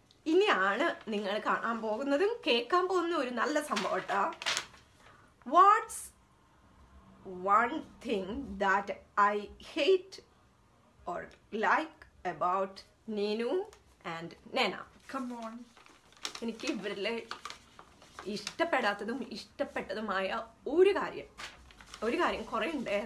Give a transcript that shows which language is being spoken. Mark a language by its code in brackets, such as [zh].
[ml] ഇനിയാണ് നിങ്ങൾ കാണാൻ പോകുന്നതും കേൾക്കാൻ പോകുന്ന ഒരു നല്ല സംഭവം ട്ടോ. [en] What's one thing that I hate or like about Ninu and Nena? Come on. [ml] എനിക്ക് ഇവരിലെ ഇഷ്ടപ്പെടാത്തതും ഇഷ്ടപ്പെട്ടതുമായ ഒരു കാര്യം കുറേ ഉണ്ട്.